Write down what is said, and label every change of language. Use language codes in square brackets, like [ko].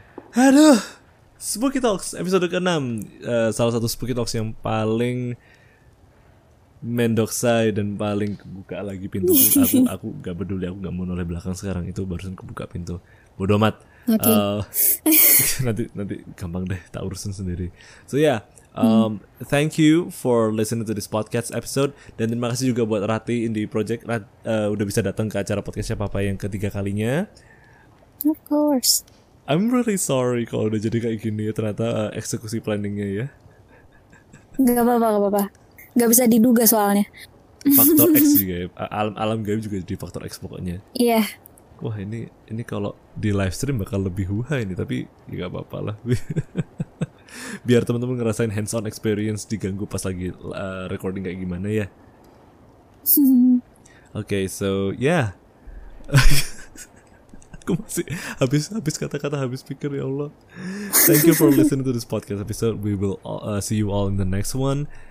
[id] Aduh, Spooky Talks episode ke-6. Salah satu Spooky Talks yang paling mendoksai dan paling kebuka lagi pintu. Aku nggak peduli, aku nggak mau noleh belakang sekarang, itu barusan kebuka pintu. Bodoh amat. [en] Okay. [id] nanti gampang deh, tak urusin sendiri. [en] So yeah, thank you for listening to this podcast episode. [id] Dan terima kasih juga buat Ratih Indie Project, udah bisa datang ke acara podcast siapa apa yang ketiga kalinya. [en] Of course. I'm really sorry [id] kalau udah jadi kayak gini ya, ternyata eksekusi planningnya ya. Gak apa-apa. Gak bisa diduga soalnya. Faktor X juga ya. Alam gaib juga jadi faktor X pokoknya. Iya. [en] Yeah. [id] Wah ini kalau di live stream bakal lebih huha ini, tapi ya gak apa-apa lah. Biar teman-teman ngerasain [en] hands on experience [id] diganggu pas lagi recording kayak gimana ya. [en] Okay, so yeah. [id] Aku masih habis kata-kata, habis pikir, ya Allah. [en] Thank you for listening to this podcast episode. We will see you all in the next one.